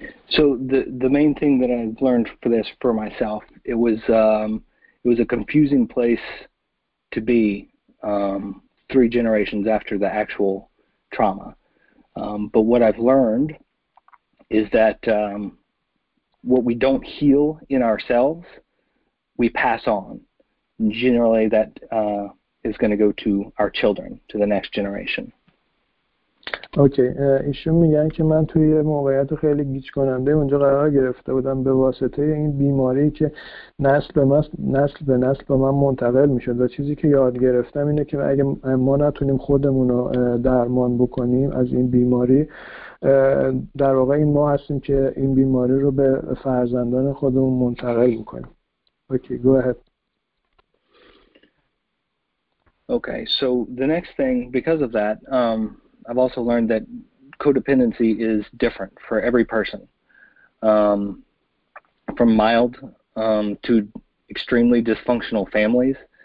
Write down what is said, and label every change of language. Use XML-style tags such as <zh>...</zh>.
<en>So the main thing that I've learned for this for myself, it was a confusing place to be three generations after the actual trauma. But what I've learned is that what we don't heal in ourselves, we pass on. Generally, that is going to go to our children, to the next generation.</en> <fa>اوکی، ایشون میگن که من توی یه موقعیت خیلی گیج کننده اونجا قرار گرفته بودم به واسطه این بیماری که نسل به نسل با من منتقل میشد و چیزی که یاد گرفتم اینه که اگه ما نتونیم خودمونو درمان بکنیم از این بیماری، در واقع این ما هستیم که این بیماری رو به فرزندان خودمون منتقل میکنیم.</fa> <en>Okay, go ahead. Okay, so the next thing because of that I've also learned that codependency is different for every person, from mild to extremely dysfunctional families.</en>